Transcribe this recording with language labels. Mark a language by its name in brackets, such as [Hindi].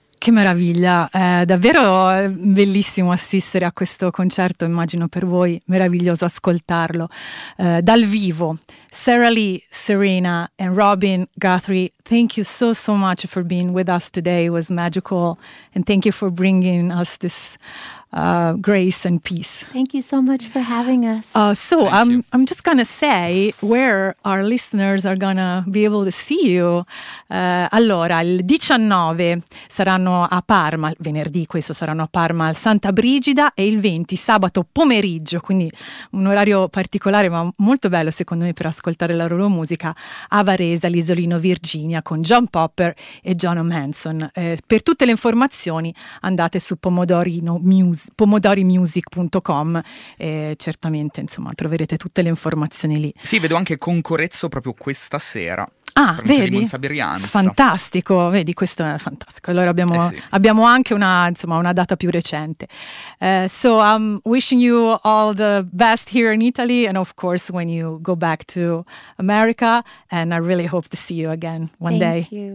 [Italian] meraviglia, è davvero bellissimo assistere a questo concerto, immagino per voi meraviglioso ascoltarlo dal vivo. [English] Sarah Lee, Serena and Robin Guthrie, thank you so much for being with us today. It was magical and thank you for bringing us this grace and peace. Thank you so much for having us. I'm just gonna say where our listeners are gonna be able to see you. [Italian] Allora, il 19 saranno a Parma, venerdì questo saranno a Parma al Santa Brigida, e il 20 sabato pomeriggio, quindi un orario particolare ma molto bello secondo me per ascoltare la loro musica, a Varese, all'Isolino Virginia, con John Popper e John O'Manson. Per tutte le informazioni andate su pomodorimusic.com e certamente, insomma, troverete tutte le informazioni lì. Sì, vedo anche Concorezzo proprio questa sera. Ah, vedi? Di Monza Brianza. Fantastico, vedi, questo è fantastico. Allora abbiamo, sì, abbiamo anche una, insomma, una data più recente. [English] So I'm wishing you all the best here in Italy and of course when you go back to America, and I really hope to see you again one day.